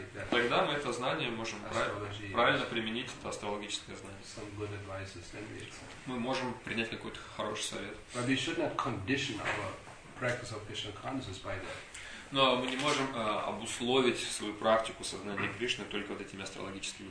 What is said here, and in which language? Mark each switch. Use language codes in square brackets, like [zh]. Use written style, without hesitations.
[ru] Тогда мы это знание можем правильно применить, это астрологическое знание. [en] Some good advices, then we accept. [ru] Мы можем принять какой-то хороший совет. [en] But we should not condition our practice of Krishna consciousness by that. [ru] Но мы не можем обусловить свою практику сознания Кришны только вот этими астрологическими